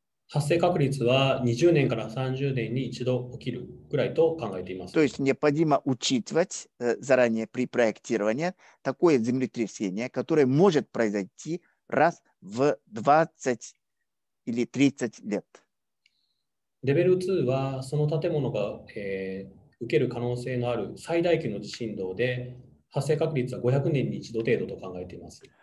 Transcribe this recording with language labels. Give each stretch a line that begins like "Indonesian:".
Japanese: 発生確率は20年から30年に一度起きるぐらいと考えています。
Russian: То есть необходимо учитывать заранее при проектировании такое землетрясение, которое может произойти раз в 20 или 30 лет.
Japanese: レベル2はその建物が、受ける可能性のある最大級の地震動で発生確率は500年に一度程度と考えています。